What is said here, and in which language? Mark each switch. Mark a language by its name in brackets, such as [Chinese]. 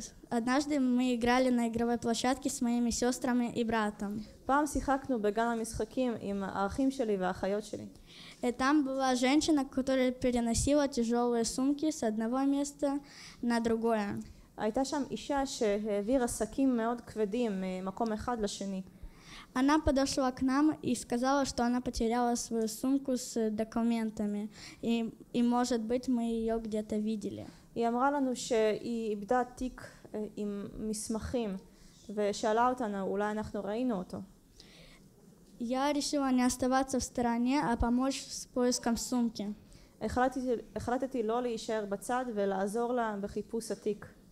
[Russian] Однажды мы играли на игровой площадке с моими сестрами и братом. [Hebrew] פעם שיחקנו בגן המשחקים עם האחים שלי והאחיות שלי. [Russian] Там была женщина, которая переносила тяжелые сумки с одного места на другое. [Hebrew] הייתה שם אישה שהעבירה שקים מאוד כבדים ממקום אחד לשני. [Russian] Она подошла к нам и сказала, что она потеряла свою сумку с документами, и может быть, мы ее где-то видели. [Hebrew] היא אמרה לנו שהיא איבדה תיק עם מסמכים ושאלה אותנו, אולי אנחנו ראינו אותו. [Russian] Я решила не оставаться в стороне, а помочь с поиском сумки. [Hebrew] החלטתי לא להישאר בצד ולעזור לה בחיפוש התיק.